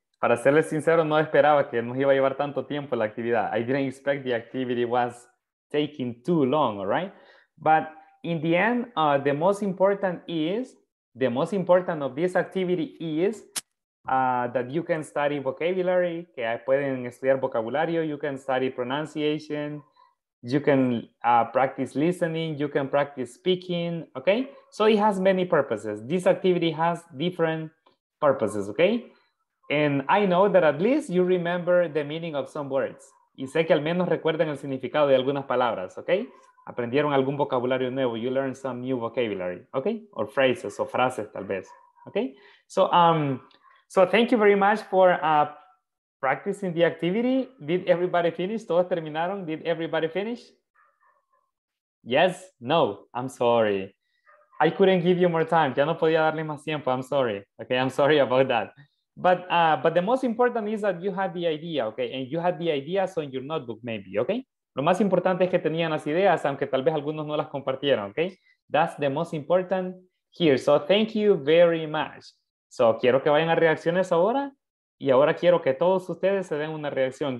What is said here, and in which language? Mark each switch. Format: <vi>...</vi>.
<es>Para serles sincero, no esperaba que nos iba a llevar tanto tiempo la actividad.</es> <en>I didn't expect the activity was taking too long, all right? But in the end, the most important of this activity is that you can study vocabulary,</en> <es>que pueden estudiar vocabulario,</es> <en>you can study pronunciation, you can practice listening, you can practice speaking, okay? So it has many purposes. This activity has different purposes, okay? And I know that at least you remember the meaning of some words.</en> <es>y sé que al menos recuerdan el significado de algunas palabras, ¿ok? Aprendieron algún vocabulario nuevo.</es> <en>You learned some new vocabulary, ¿ok? Or phrases,</en> <es>o frases, tal vez, ¿ok?</es> <en>So thank you very much for practicing the activity. Did everybody finish?</en> <es>¿Todos terminaron?</es> <en>Did everybody finish? Yes? No? I'm sorry. I couldn't give you more time.</en> <es>Ya no podía darle más tiempo.</es> <en>I'm sorry. Okay, I'm sorry about that. But the most important is that you had the idea, okay? And you had the ideas on your notebook, maybe, okay?</en> <es>Lo más importante es que tenían las ideas, aunque tal vez algunos no las compartieron, okay?</es> <en>That's the most important here. So thank you very much.</en> <es>So quiero que vayan a reacciones ahora. Y ahora quiero que todos ustedes se den una reacción.</es>